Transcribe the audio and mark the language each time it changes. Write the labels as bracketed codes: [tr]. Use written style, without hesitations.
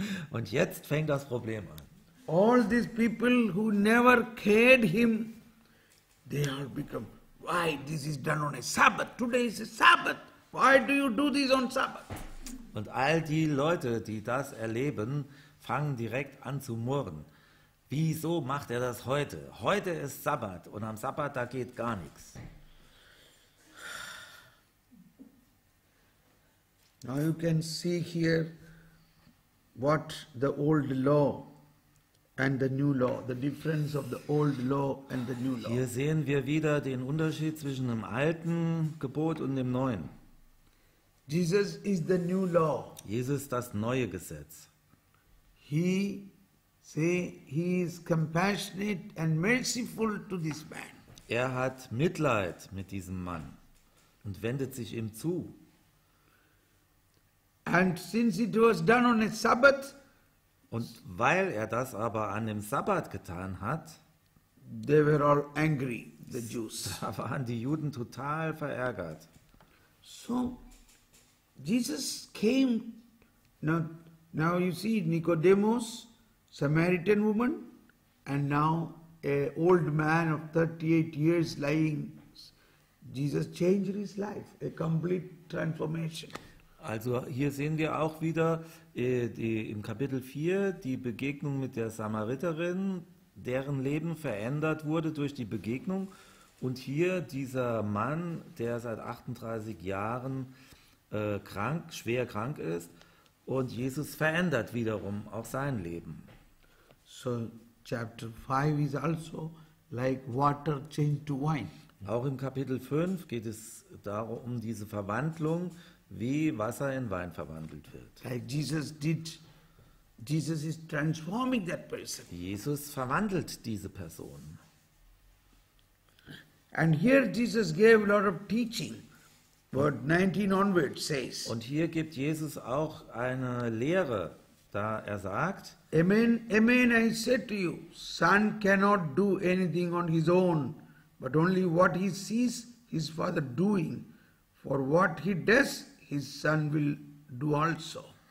[de] Und jetzt fängt das Problem an. [en] All these people who never cared him, they all become, why this is done on a Sabbath? Today is a Sabbath. Why do you do this on Sabbath? [de] Und all die Leute, die das erleben, fangen direkt an zu murren. Wieso macht er das heute? Heute ist Sabbat und am Sabbat, da geht gar nichts. [en] Now you can see here what the old law and the new law, the difference of the old law and the new law. [de] Hier sehen wir wieder den Unterschied zwischen dem alten Gebot und dem neuen. [en] Jesus is the new law. [de] Jesus das neue Gesetz. [en] He is compassionate and merciful to this man. [de] Er hat Mitleid mit diesem Mann und wendet sich ihm zu. [en] And since it was done on a Sabbath, [de] und weil er das aber an dem Sabbat getan hat, [en] they were all angry, the Jews. [de] Da waren die Juden total verärgert. [en] So Jesus came. Now you see Nicodemus, Samaritan woman, and now a old man of 38 years lying. Jesus changed his life, a complete transformation. [de] Also hier sehen wir auch wieder im Kapitel 4 die Begegnung mit der Samariterin, deren Leben verändert wurde durch die Begegnung. Und hier dieser Mann, der seit 38 Jahren schwer krank ist, und Jesus verändert wiederum auch sein Leben. [en] So chapter 5 is also like water changed to wine. [de] Auch im Kapitel 5 geht es darum, um diese Verwandlung, wie Wasser in Wein verwandelt wird. [en] Like Jesus did, Jesus is transforming that person. [de] Jesus verwandelt diese Person. [en] And here Jesus gave a lot of teaching. Verse 19 onwards says. [de] Und hier gibt Jesus auch eine Lehre, da er sagt, [en] Amen, amen, I say to you, son cannot do anything on his own, but only what he sees his father doing. For what he does, his son will do also.